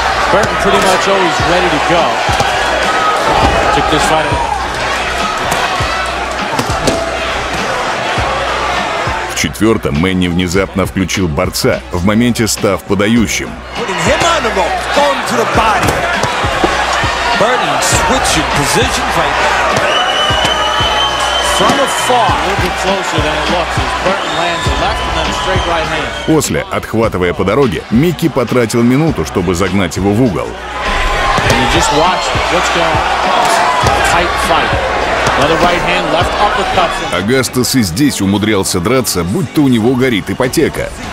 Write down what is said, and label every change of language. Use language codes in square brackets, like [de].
[ru] В четвертом Мэнни внезапно включил борца, в моменте став подающим. [en] Burton switching positions right now. From afar, a little bit closer than it looks as Burton lands a left and then a straight right hand. [ru] После, отхватывая по дороге, Микки потратил минуту, чтобы загнать его в угол. [en] And you just watch what's going on. Tight fight. Another right hand, left uppercut. [ru] Агастес и здесь умудрялся драться, будь то у него горит ипотека.